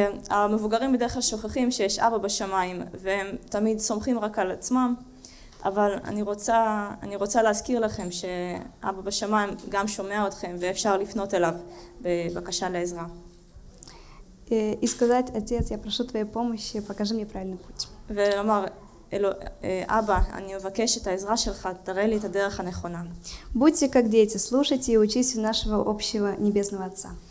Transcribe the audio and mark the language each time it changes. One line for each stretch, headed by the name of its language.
Hebrew: המבוגרים בדרך כלל שוכחים שיש אבא בשמיים והם תמיד סומכים רק על עצמם, אבל אני רוצה להזכיר לכם שאבא בשמיים גם שומע אתכם ואפשר לפנות אליו בבקשה לעזרה.
Russian: И сказать: "Отец, я прошу твоей помощи, покажи мне правильный путь".
Hebrew: ולומר: "אבא, אני מבקש את העזרה שלך, תראה לי את הדרך הנכונה".
Russian: Будьте как дети, слушайте и учитесь у нашего общего небесного отца.